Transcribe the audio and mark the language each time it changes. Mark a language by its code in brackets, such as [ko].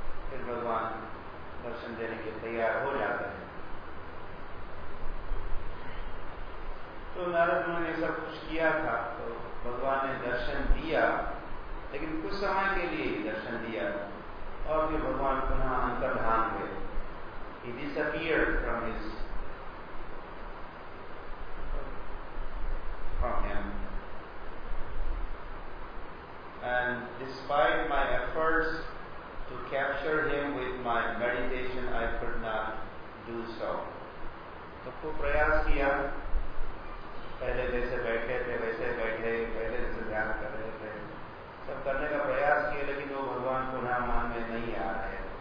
[hi] फिर भगवान दर्शन देने के लिए तैयार हो जाता है. तो नारद मुनि ने सब कुछ किया था, तो भगवान ने दर्शन दिया, लेकिन कुछ समय के लिए दर्शन दिया, और फिर भगवान पुनः अंतर्धान हुए. [en] He disappeared from him. And despite my efforts to capture him with my meditation, I could not do so. [hi] तो खूब प्रयास किया, पहले जैसे बैठे थे वैसे बैठे, पहले जैसे ध्यान कर रहे थे, सब करने का प्रयास किया, लेकिन वो भगवान को नाम मान में नहीं आ रहे.